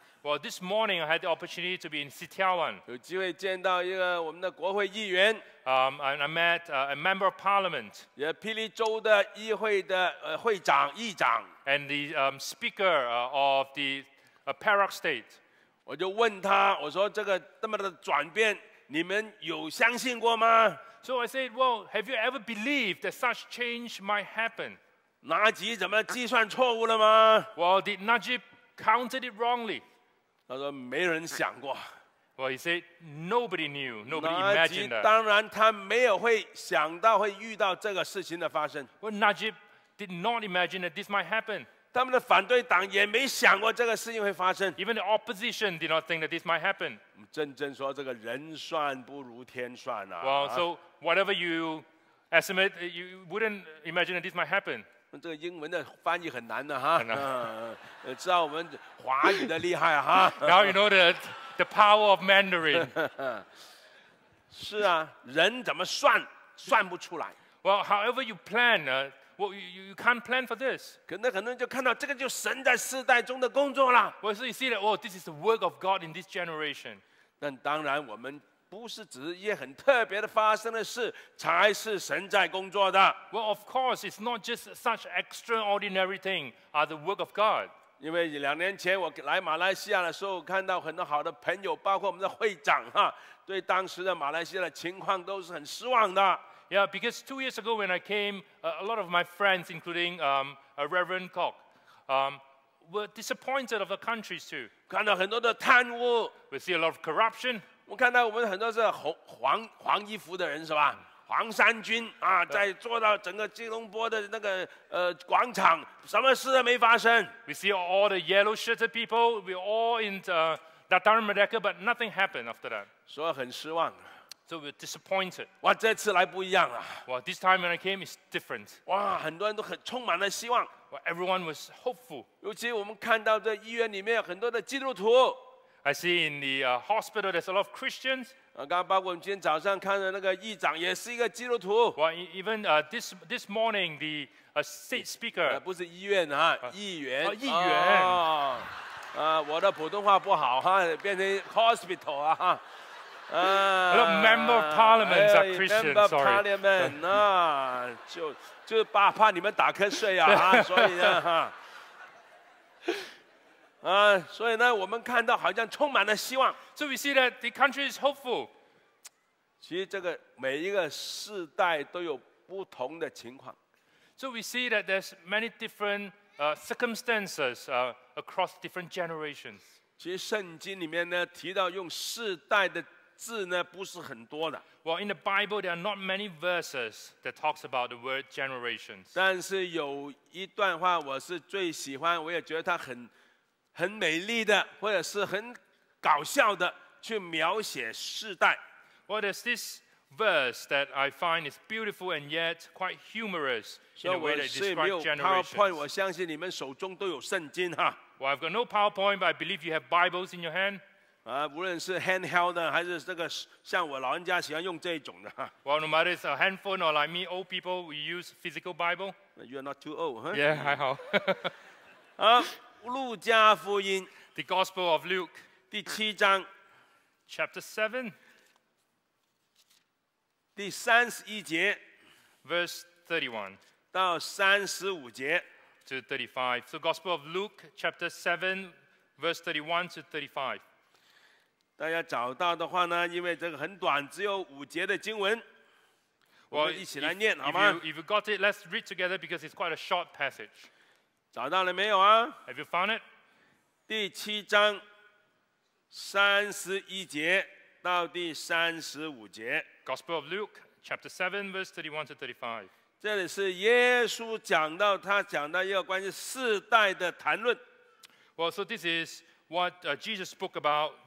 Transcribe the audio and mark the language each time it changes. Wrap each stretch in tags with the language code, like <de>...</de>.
<en>Well, this morning I had the opportunity to be in City One.</en> <zh>有机会见到一个我们的国会议员。</zh> <en>And I met a member of parliament.</en> <zh>也霹雳州的议会的会长、议长。</zh> <en>And the speaker of the Perak State.</en> <zh>我就问他，我说这个这么的转变，你们有相信过吗</zh> <en>？So I said, well, have you ever believed that such change might happen?</en> <zh>纳吉怎么计算错误了吗</zh> <en>？Well, did Najib counted it wrongly?</en> <zh>他说没人想过。</zh> <en>Well, he said nobody knew, nobody imagined that.</en> <zh>当然他没有会想到会遇到这个事情的发生。</zh> <en>Well, Najib did not imagine that this might happen.</en> <zh>他们的反对党也没想过这个事情会发生。</zh> <en>Even the opposition did not think that this might happen.</en> <zh>真正说这个人算不如天算啊。</zh> <en>Well, so whatever you estimate, you wouldn't imagine that this might happen.</en> <zh>这个英文的翻译很难的哈。知道我们华语的厉害哈。</zh> <en>Now you know that. The power of Mandarin.</en> <zh>是啊，人怎么算，算不出来。</zh> <en>Well, however you plan, you can't plan for this.</en> <zh>可能很多人就看到这个就神在世代中的工作了。</zh> <en>Well, so you see that, oh, this is the work of God in this generation.</en> <zh>但当然，我们不是只是一些很特别的发生的事才是神在工作的。</zh> <en>Well, of course, it's not just such extraordinary things are the work of God.</en> <zh>因为两年前我来马来西亚的时候，看到很多好的朋友，包括我们的会长哈，对当时的马来西亚的情况都是很失望的。</zh> <en>Yeah, because 2 years ago when I came, a lot of my friends, including Reverend Kok, were disappointed of the countries too.</en> <zh>看到很多的贪污。</zh> <en>We see a lot of corruption.</en> <zh>我看到我们很多是黄衣服的人是吧？黄衫军啊，在坐到整个吉隆坡的那个广场，什么事都没发生。</zh> <en>We see all the yellow-shirted people. We all in Dataran Merdeka, but nothing happened after that.</en> <zh>所以很失望。</zh> <en>So we're disappointed.</en> <zh>哇，这次来不一样啊。</zh> <en>Well, this time when I came, it's different.</en> <zh>哇，很多人都很充满了希望。</zh> <en>Well, everyone was hopeful.</en> <zh>尤其我们看到这医院里面有很多的基督徒。</zh> <en>I see in the hospital there's a lot of Christians.</en> <zh>刚刚包括我们今天早上看的那个议长也是一个基督徒。</zh> <en>Well, even this morning the state speaker.</en> <zh>不是医院啊，议员。议员。我的普通话不好哈，变成 hospital 啊。</zh> <en>A member of parliament are Christians. Member of parliament</en> <zh>那就怕你们打瞌睡啊，所以呢哈。所以呢，我们看到好像充满了希望。</zh> <en>So we see that the country is hopeful.</en> <zh>其实这个每一个世代都有不同的情况。</zh> <en>So we see that there's many different circumstances across different generations.</en> <zh>其实圣经里面呢提到用世代的字呢不是很多的。</zh> <en>Well, in the Bible, there are not many verses that talks about the word generations.</en> <zh>但是有一段话我是最喜欢，我也觉得它很。很美丽的，或者是很搞笑的，去描写世代。</zh> <en>Well, there's this verse that I find is beautiful and yet quite humorous in the way that describes generations.</en> <zh>所以我是没有 PowerPoint， 我相信你们手中都有圣经哈。</zh> <en>Well, I've got no PowerPoint, but I believe you have Bibles in your hand.</en> <zh>无论是 handheld 的，还是这个像我老人家喜欢用这种的。</zh> <en>Well, no matter it's a handphone or like me, old people, we use physical Bible. You are not too old, huh?</en> <zh>Yeah, 还好。路加福音</zh> <en>，The Gospel of Luke，</en> <zh>第七章</zh> <en>，Chapter 7，</en> <zh>第三十一节</zh> <en>，Verse 31，</en> <zh>到三十五节</zh> <en>，To 35。 So Gospel of Luke, Chapter 7, Verse 31 to 35。</en> <zh>大家找到的话呢，因为这个很短，只有五节的经文， well, 我们一起来念</zh> <en>if,</en> <zh>好吗</zh> <en>？If you got it, let's read together because it's quite a short passage.</en> <zh>找到了没有啊</zh> <en>？Have you found it?</en> <zh>第七章三十一节到第三十五节。</zh> <en>Gospel of Luke, chapter 7, verse 31 to 35.</en> <zh>这里是耶稣讲到他讲到一个关于世代的谈论。</zh> <en>Well, so this is what Jesus spoke about.</en>